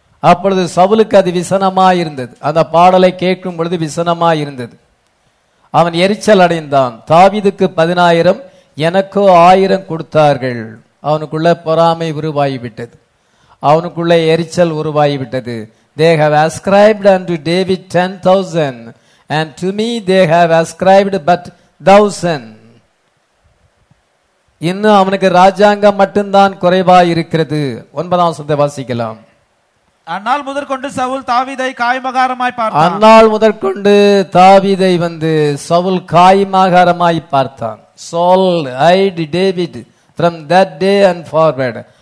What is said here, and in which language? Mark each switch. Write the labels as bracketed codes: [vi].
[ta] அப்பொழுது சவுலுக்கு அது விசனமாயிருந்தது. அந்த பாடலை கேட்கும் பொழுது விசனமாயிருந்தது. அவன் எரிச்சல் அடைந்தான். தாவீதுக்கு 10,000, எனக்கு 1000 கொடுத்தார்கள். அவனுக்குள்ள பொறாமை உருவாகிவிட்டது. அவனுக்குள்ள எரிச்சல் உருவாகிவிட்டது. [en] They have ascribed unto David 10,000 and to me they have ascribed but 1,000. [ta] இன்னும் அவனுக்கு ராஜாங்கம் மட்டும்தான் குறைவா இருக்கிறது. 9 வசனத்தை வாசிக்கலாம். அன்னாள் முதற்கொண்டு சவுல் தாவீதை காயமகாரமாய் பார்த்தான். அன்னாள் முதற்கொண்டு தாவீதை வந்து சவுல் காயமகாரமாய் பார்த்தான். [en] Saul eyed David from that day and forward.